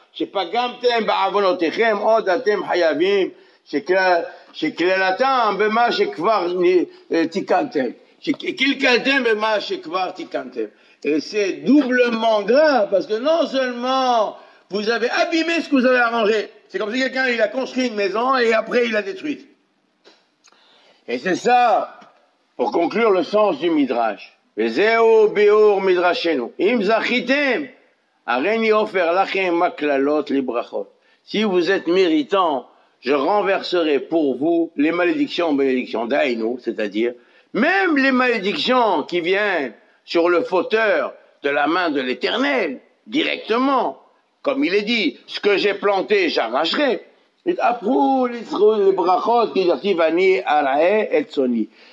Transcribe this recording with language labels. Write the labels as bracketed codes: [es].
[fr] Et c'est doublement grave, parce que non seulement vous avez abîmé ce que vous avez arrangé, c'est comme si quelqu'un il a construit une maison et après il l'a détruite. Et c'est ça, pour conclure, le sens du Midrash. [he] וזהו ביאור מדרשנו. אם זכיתם, הריני אופר לכם מקללות לברכות. [fr] Si vous êtes méritant, je renverserai pour vous les malédictions en bénédictions. Daino, c'est-à-dire, même les malédictions qui viennent sur le fauteur de la main de l'Éternel, directement. Comme il est dit, ce que j'ai planté, j'arracherai. Et après, les brachot, qui dit, vani, arae, et soni.